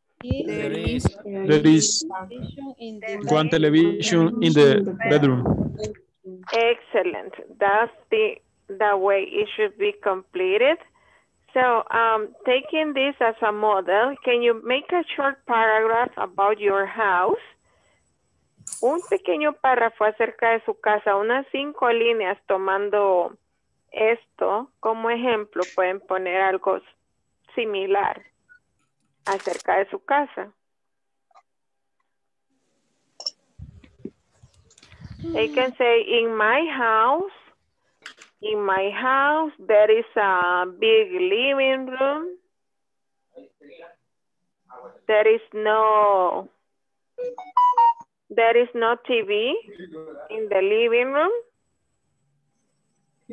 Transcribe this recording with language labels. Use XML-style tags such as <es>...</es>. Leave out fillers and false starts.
<en>there is one television in the bedroom. Excellent. That's the way it should be completed. So taking this as a model, can you make a short paragraph about your house?</en> <es>Un pequeño párrafo acerca de su casa, unas cinco líneas tomando esto como ejemplo, pueden poner algo similar acerca de su casa.</es> <en>They can say, in my house, there is a big living room. There is no TV in the living room.</en>